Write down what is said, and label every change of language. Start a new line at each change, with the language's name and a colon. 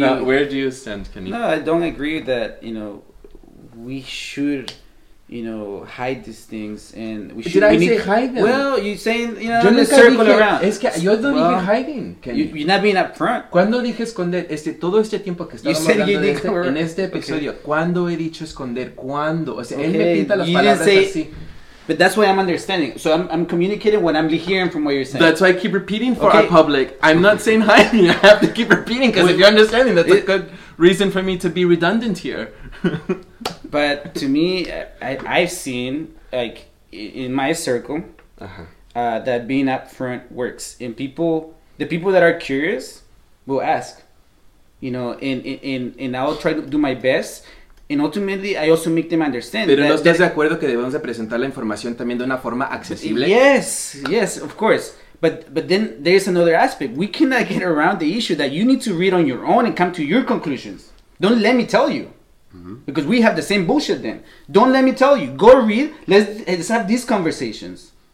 English: Now, where do you stand, Kenny? No, I don't agree that, you know, we should, you know, hide these things, and we should. Did I say hide them? Well, you're saying, you know, circle around.
Spanish: Es que yo no dije hiding, Kenny.
English: You're not being upfront.
Spanish: ¿Cuándo dije esconder? Este, todo este tiempo que estábamos hablando de este, en este episodio, okay. ¿Cuándo he dicho esconder? ¿Cuándo? O sea, okay. Él me pinta las palabras así.
English: But that's why I'm understanding. So I'm communicating what I'm hearing from what you're saying. That's why I keep repeating for our public. I'm not saying hi. I have to keep repeating because if you're understanding, that's a good reason for me to be redundant here. But to me, I've seen, like, in my circle, that being upfront works. And the people that are curious will ask. You know, and I'll try to do my best. And ultimately, I also make them understand.
Spanish: Pero no estás de acuerdo que debemos de presentar la información también de una forma accesible.
English: Yes, yes, of course. But then there's another aspect. We cannot get around the issue that you need to read on your own and come to your conclusions. Don't let me tell you. Mm-hmm. Because we have the same bullshit then. Don't let me tell you. Go read. Let's have these conversations.